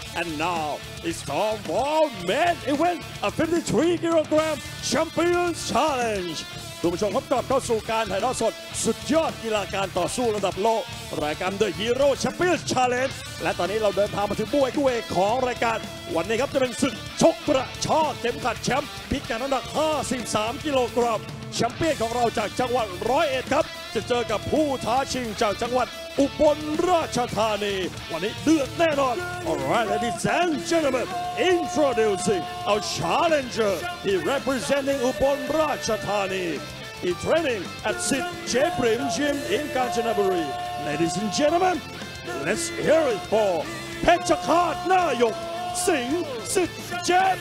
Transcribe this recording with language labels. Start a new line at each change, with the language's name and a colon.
English: And now it's time for main event, a 53 kilogram Champion Challenge.
Thai: คุณผู้ชมครับกลับเข้าสู่การถ่ายทอดสดสุดยอดกีฬาการต่อสู้ระดับโลกรายการ The Hero Champion Challenge. และตอนนี้เราเดินทางมาถึงมวยคู่เอกของรายการวันนี้ครับจะเป็นศึกชกกระชากเข็มขัดแชมป์พิกัดน้ำหนัก53กิโลกรัมแชมเปี้ยนของเราจากจังหวัดร้อยเอ็ดครับจะเจอกับผู้ท้าชิงจากจังหวัดอุบลราชธานีวันนี้เดือดแน่นอน
English: Alright ladies and gentlemen Introducing our challenger He representing
Thai: อุบลราชธานี
English: in training at Sid J. Prim Gym in Kanchanaburi. Ladies and gentlemen, let's hear it for Petchakat Nayok Singh Sid J.